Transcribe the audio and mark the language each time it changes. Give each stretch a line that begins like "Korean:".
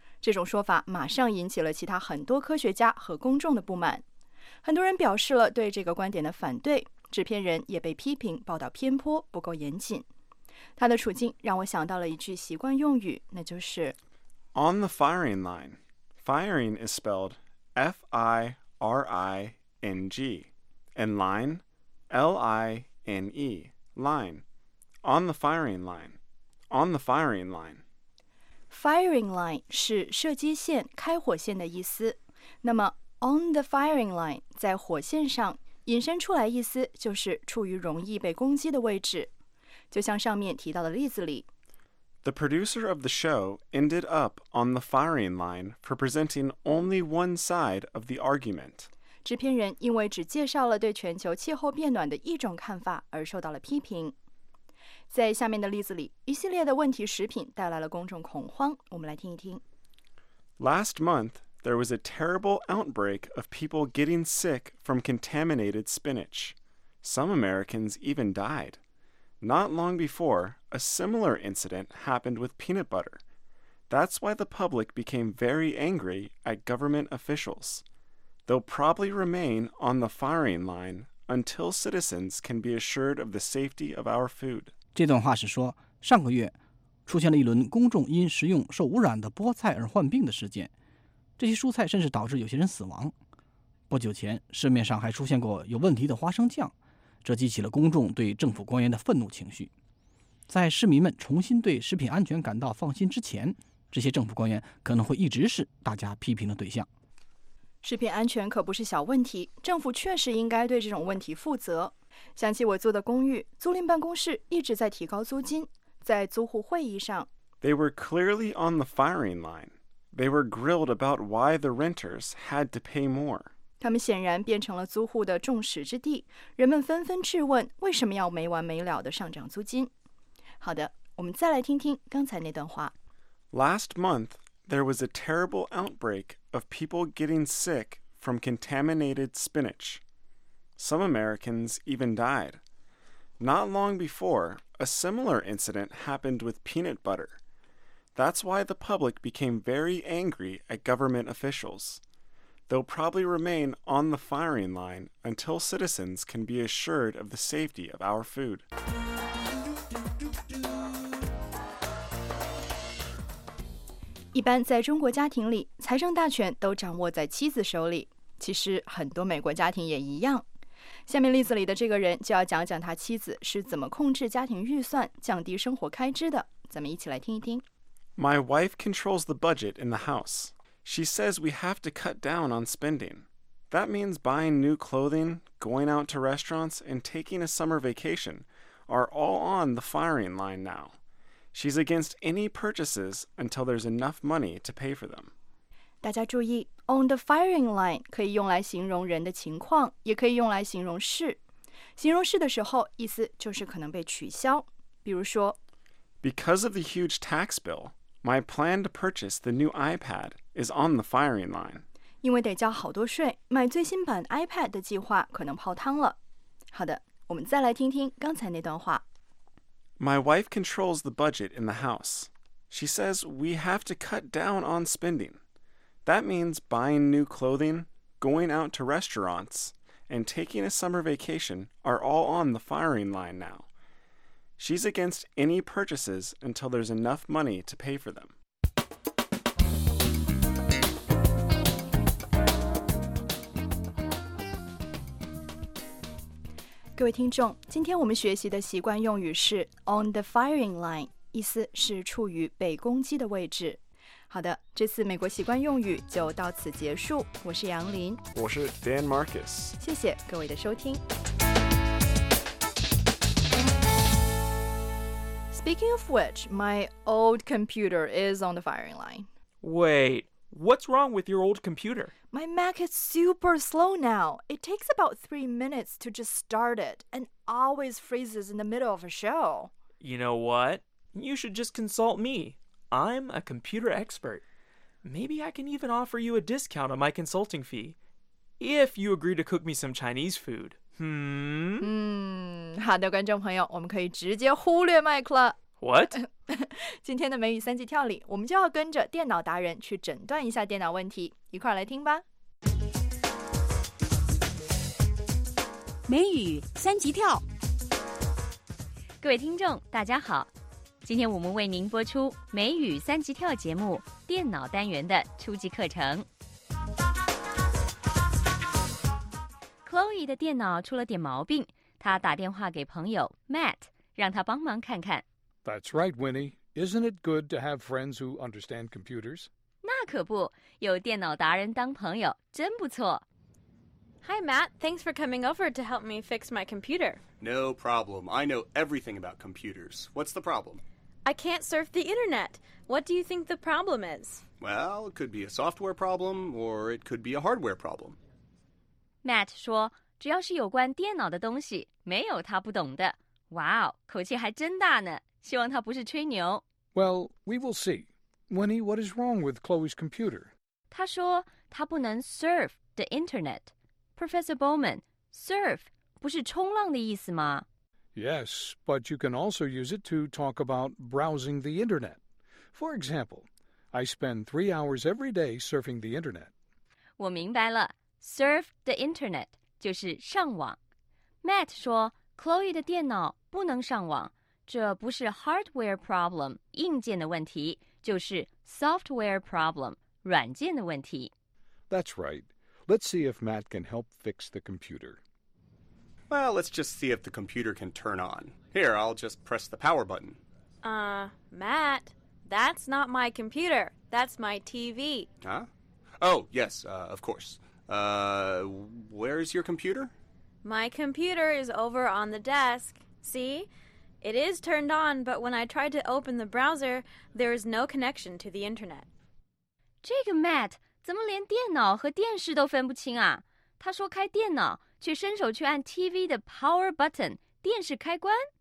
Chinese: 这种说法马上引起了其他很多科学家和公众的不满，很多人表示了对这个观点的反对。制片人也被批评报道偏颇，不够严谨。他的处境让我想到了一句习惯用语，那就是
English: On the firing line. Firing is spelled F-I-R-I-N-G. And line, L-I-N-E. Line. On the firing line. On the firing line. Firing line
Chinese: 是射击线、开火线的意思。那么
English: on the firing line
Chinese: 在火线上引申出来意思就是处于容易被攻击的位置。就像上面提到的例子里
English: The producer of the show ended up on the firing line for presenting only one side of the argument.
Chinese: 制片人因为只介绍了对全球气候变暖的一种看法而受到了批评。在下面的例子里，一系列的问题食品带来了公众恐慌，我们来听一听。 Last month, there was a terrible outbreak of people getting sick from contaminated spinach. Some Americans even died. Not long before, a similar incident happened with peanut butter. That's why the public became very angry at government officials. They'll probably remain on the firing line until citizens can be assured of the safety of our food. 这段话是说，上个月出现了一轮公众因食用受污染的菠菜而患病的事件。这些蔬菜甚至导致有些人死亡。不久前，市面上还出现过有问题的花生酱。这激起了公众对政府官员的愤怒情绪。在市民们重新对食品安全感到放心之前，这些政府官员可能会一直是大家批评的对象。食品安全可不是小问题，政府确实应该对这种问题负责。想起我租的公寓，租赁办公室一直在提高租金，在租户会议上。
English: They were clearly on the firing line. They were grilled about why the renters had to pay more.
Chinese: 他们显然变成了租户的众矢之的，人们纷纷质问为什么要没完没了地上涨租金。好的，我们再来听听刚才那段话。
English: Last month, there was a terrible outbreak of people getting sick from contaminated spinach. Some Americans even died. Not long before, a similar incident happened with peanut butter. That's why the public became very angry at government officials. They'll probably remain on the firing line until citizens can be assured of the safety of our food.
Chinese: 一般在中国家庭里，财政大权都掌握在妻子手里。其实很多美国家庭也一样。下面例子里的这个人就要讲讲他妻子是怎么控制家庭预算、降低生活开支的。咱们一起来听一听。
English: My wife controls the budget in the house. She says we have to cut down on spending. That means buying new clothing, going out to restaurants, and taking a summer vacation are all on the firing line now. She's against any purchases until there's enough money to pay for them.
Chinese: 大家注意 ,
English: on the firing line
Chinese: 可以用来形容人的情况，也可以用来形容事。形容事的时候，意思就是可能被取消。比如说
English: ,Because of the huge tax bill, my plan to purchase the new iPad is on the firing line.
Chinese: 因为得交好多税，买最新版 iPad 的计划可能泡汤了。好的，我们再来听听刚才那段话。 My wife controls the budget in the house. She says we have to cut down on spending. That means buying new clothing, going out to restaurants, and taking a summer vacation are all on the firing line now. She's against any purchases until there's enough money to pay for them. 各位听众，今天我们学习的习惯用语是
English: on the firing line，
Chinese: 意思是处于被攻击的位置。好的，这次美国习惯用语就到此结束。我是杨林，我是 Dan Marcus，谢谢各位的收听。
English: Speaking of which, my old computer is on the firing line. Wait. What's wrong with your old computer? My Mac is super slow now. It takes about 3 minutes to just start it and always freezes in the middle of a show. You know what? You should just consult me. I'm a computer expert. Maybe I can even offer you a discount on my consulting fee if you agree to cook me some Chinese food.
Chinese: 好的，观众朋友，我们可以直接忽略麦克了。
English: What?
Chinese: 今天的美语三级跳里，我们就要跟着电脑达人去诊断一下电脑问题，一块来听吧。美语三级跳，各位听众，大家好。今天我们为您播出美语三级跳节目电脑单元的初级课程。 Chloe 的电脑出了点毛病，她打电话给朋友 Matt， 让他帮忙看看。
English: That's right, Winnie. Isn't it good to have friends who understand computers?
Chinese: 那可不，有电脑达人当朋友，真不错。
English: Hi, Matt. Thanks for coming over to help me fix my computer. No problem. I know everything about computers. What's the problem? I can't surf the internet. What do you think the problem is? Well, it could be a software problem, or it could be a hardware problem.
Chinese: Matt 说，只要是有关电脑的东西，没有他不懂的。哇哦，口气还真大呢。希望他不是吹牛。
English: Well, we will see. Winnie, what is wrong with Chloe's computer?
Chinese: 他说他不能
English: surf the internet.
Chinese: Professor Bowman, surf 不是冲浪的意思吗？
English: Yes, but you can also use it to talk about browsing the internet. For example, I spend 3 hours every day surfing the internet.
Chinese: 我明白了 ,
English: surf the internet
Chinese: 就是上网。 Matt 说 Chloe 的电脑不能上网。这不是
English: hardware problem,
Chinese: 硬件的问题，就是
English: software problem,
Chinese: 软件的问题。
English: That's right. Let's see if Matt can help fix the computer. Well, let's just see if the computer can turn on. Here, I'll just press the power button. Matt, that's not my computer. That's my TV. Huh? Oh, yes, of course. Where's your computer? My computer is over on the desk. See? It is turned on, but when I tried to open the browser, there is no connection to the internet.
Chinese: 这个 Matt 怎么连电脑和电视都分不清啊？他说开电脑，却伸手去按 TV 的
English: power button,
Chinese: 电视开关。